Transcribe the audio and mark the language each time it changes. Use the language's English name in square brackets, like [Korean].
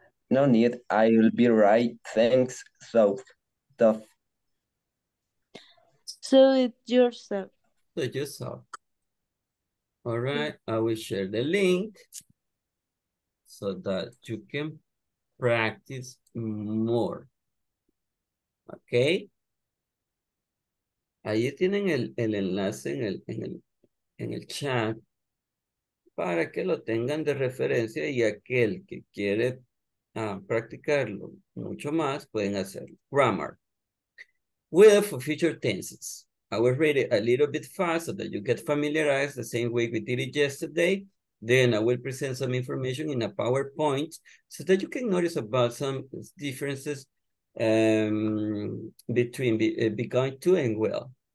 [English] No need, I will be right. Thanks, so tough. Suit yourself. Suit yourself. All right, I will share the link so that you can practice more. Okay? [Spanish] Ahí tienen el enlace en el chat para que lo tengan de referencia y aquel que quiere practicarlo mucho más, pueden hacerlo. [English] Grammar. With for future tenses. I will read it a little bit fast so that you get familiarized the same way we did it yesterday. Then I will present some information in a PowerPoint so that you can notice about some differences between begun to and will.